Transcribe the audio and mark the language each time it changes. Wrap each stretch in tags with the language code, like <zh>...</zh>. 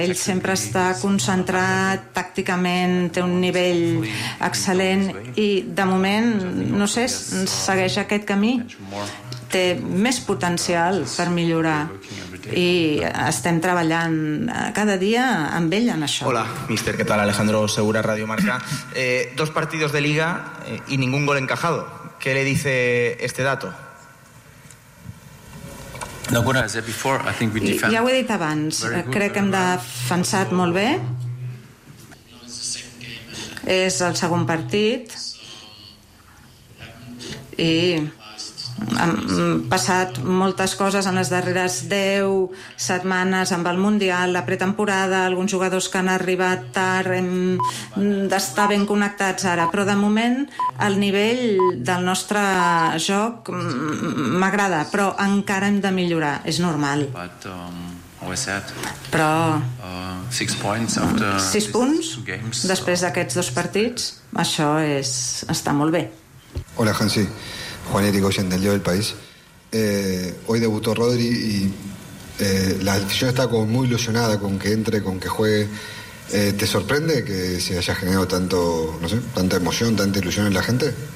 <ca>Ell sempre està concentrat tàcticament, té un nivell excel·lent i de moment, no sé, segueix aquest camí. té més potencial per millorar i estem treballant cada dia amb ell en això.</ca> <es>Hola, míster, ¿qué tal? Alejandro Segura, Radio Marca. Dos partidos de liga y ningún gol encajado. ¿Qué le dice este dato?</es> <ca>Ja ho he dit abans, crec que hem defensat molt bé. És el segon partit i han passat moltes coses en les darreres 10 setmanes amb el Mundial, la pretemporada, alguns jugadors que han arribat tard, hem d'estar ben connectats ara, però de moment el nivell del nostre joc m'agrada, però encara hem de millorar, és normal. Però 6 punts després d'aquests dos partits, això és, està molt bé.</ca> <es>Hola, Hansi. Juan Irigoyen, del Yo del País. Hoy debutó Rodri y la afición está como muy ilusionada con que entre, con que juegue. ¿Te sorprende que se haya generado tanto, no sé, tanta emoción, tanta ilusión en la gente?</es>